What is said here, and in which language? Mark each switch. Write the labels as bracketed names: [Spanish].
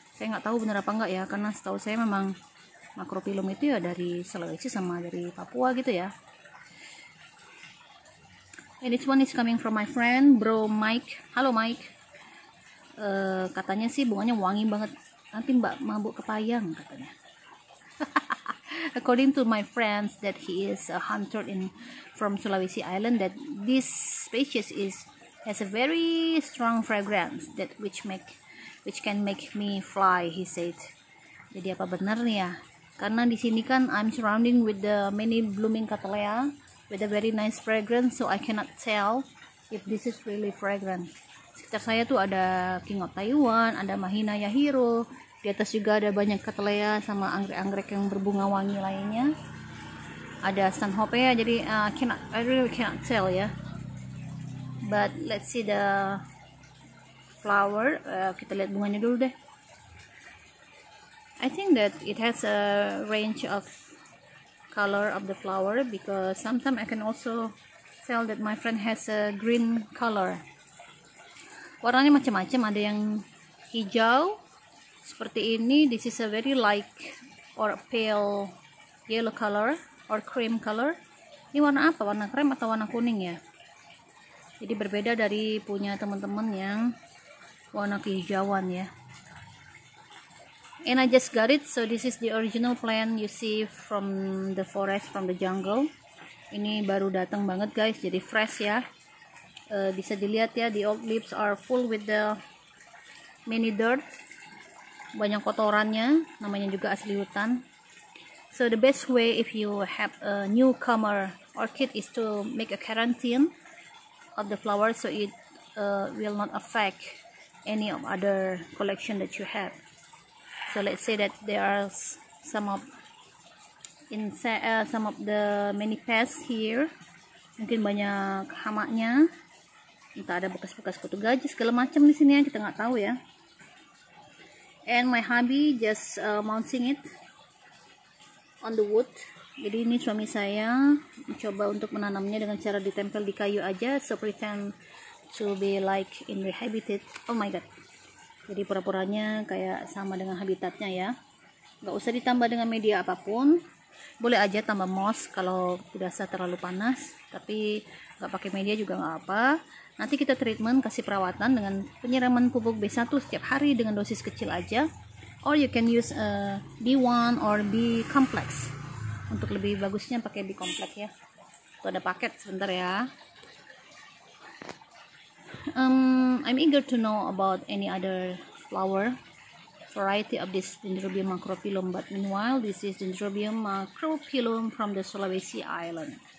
[Indonesian] Saya nggak tahu benar apa enggak ya, karena setahu saya memang macropilum itu ya dari Sulawesi sama dari Papua gitu ya. [English] And this one is coming from my friend bro Mike. [Indonesian] Halo Mike. Katanya sih bunganya wangi banget, nanti mbak mabuk kepayang katanya. [English] According to my friends that he is a hunter in from Sulawesi Island, that this species is has a very strong fragrance that which can make me fly, he said. [Indonesian] Jadi apa benar nih ya? Karena di sini kan [English] I'm surrounding with the many blooming cattleya with a very nice fragrance, so I cannot tell if this is really fragrant. [Indonesian] Sekitar saya tuh ada King of Taiwan, ada Mahina Yahiro. Di atas juga ada banyak cattleya sama anggrek-anggrek yang berbunga wangi lainnya. Ada sunhope ya, jadi [English] I really cannot tell [Indonesian] ya. [English] But let's see the flower. [Indonesian] Kita lihat bunganya dulu deh. [English] I think that it has a range of color of the flower, because sometimes I can also tell that my friend has a green color. [Indonesian] Warnanya macam-macam, ada yang hijau seperti ini, [English] this is a very light or pale yellow color or cream color. [Indonesian] Ini warna apa? Warna krem atau warna kuning ya? Jadi berbeda dari punya teman-teman yang warna kehijauan ya. [English] And I just got it, so this is the original plant you see from the forest, from the jungle. [Indonesian] Ini baru datang banget guys, jadi fresh ya. Bisa dilihat ya, [English] the old leaves are full with the many dirt. [Indonesian] Banyak kotorannya, namanya juga asli hutan. [English] So the best way if you have a newcomer orchid is to make a quarantine of the flower, so it will not affect any of other collection that you have. So let's say that there are some of the many pests here. [Indonesian] Mungkin banyak hamanya. Entah ada bekas-bekas kutu gajah segala macam di sini ya, kita nggak tahu ya. [English] And my hubby just mounting it on the wood. [Indonesian] Jadi ini suami saya mencoba untuk menanamnya dengan cara ditempel di kayu aja, [English] so pretend to be like in the habitat. Oh my god. [Indonesian] Jadi pura-puranya kayak sama dengan habitatnya ya. Gak usah ditambah dengan media apapun. Boleh aja tambah moss kalau dirasa terlalu panas, tapi gak pakai media juga gak apa. Nanti kita treatment, kasih perawatan dengan penyiraman pupuk B1 setiap hari dengan dosis kecil aja. [English] Or you can use B1 or B complex. [Indonesian] Untuk lebih bagusnya pakai B complex ya. Tuh ada paket, sebentar ya. [English] I'm eager to know about any other flower variety of this dendrobium macropilum, but meanwhile this is dendrobium macropilum from the Sulawesi Island.